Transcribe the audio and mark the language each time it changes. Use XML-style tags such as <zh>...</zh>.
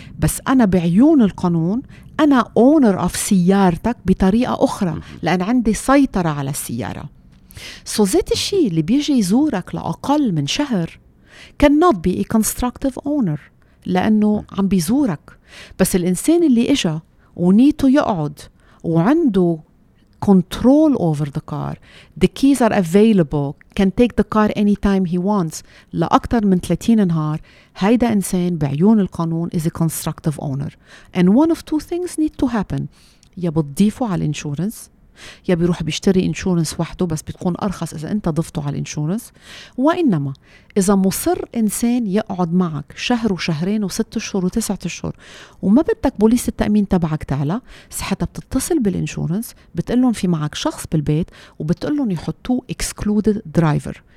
<ar>بس أنا بعيون القانون أنا</ar> <en>owner of</en> <ar>سيارتك بطريقة أخرى لأن عندي سيطرة على السيارة. So ذات الشيء اللي بيجي يزورك لأقل من شهر</ar> <en>cannot be a constructive owner</en> <ar>لأنه عم بيزورك. بس الإنسان اللي إجا ونيته يقعد وعنده</ar> <en>control over the car. The keys are available, can take the car anytime he wants.</en> <ar>لأكثر من 30 نهار هيدا إنسان بعيون القانون</ar> <en>is a constructive owner. And one of two things need to happen.</en> <ar>يا بتضيفه على الانشورنس يا بيروح بيشتري انشورنس وحده بس بتكون أرخص إذا أنت ضفته على الانشورنس. وإنما إذا مصر إنسان يقعد معك شهر وشهرين وست شهور وتسعة شهور وما بدك بوليس التأمين تبعك تعلى ساعتها بتتصل بالانشورنس بتقلن في معك شخص بالبيت وبتقلن يحطوه excluded driver.</ar>